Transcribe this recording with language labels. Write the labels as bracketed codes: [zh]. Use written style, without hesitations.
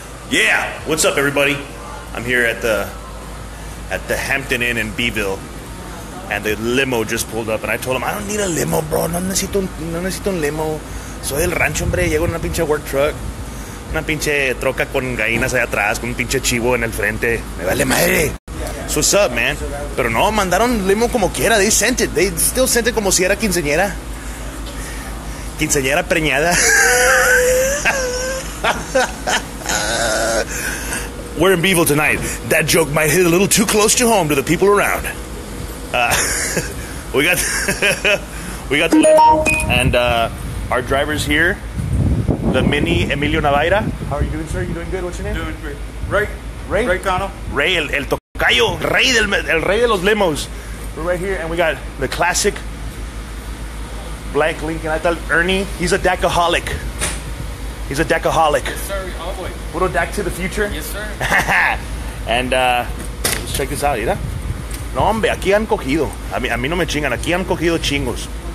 [en] Yeah, what's up, everybody? I'm here at the Hampton Inn in Beeville, and the limo just pulled up, and I told him, I don't need a limo, bro. [es] No necesito un limo. Soy del rancho, hombre. Llego en una pinche [en] work truck. [es] Una pinche troca con gallinas allá atrás, con un pinche chivo en el frente. Me vale madre. [en] So what's up, man? [es] Pero no, mandaron limo como quiera. [en] They sent it. They still sent it [es] como si era quinceañera. Quinceañera preñada. [en] We're in Beeville tonight. That joke might hit a little too close to home to the people around. We got the limo. And our driver's here. The mini Emilio Navaira. How are you doing, sir? You doing good? What's your name? Doing great. Ray? Ray Cano. [es] Ray, el tocayo. Ray, el rey de los limos. [en] We're right here, and we got the classic blank Lincoln. I thought Ernie, he's a Dakaholic. He's a Dakaholic. Yes, sir. Oh, boy. Little Dak to the future. Yes, sir. And let's check this out, yeah? [es] No, hombre, aquí han cogido. A mí no me chingan. Aquí han cogido chingos.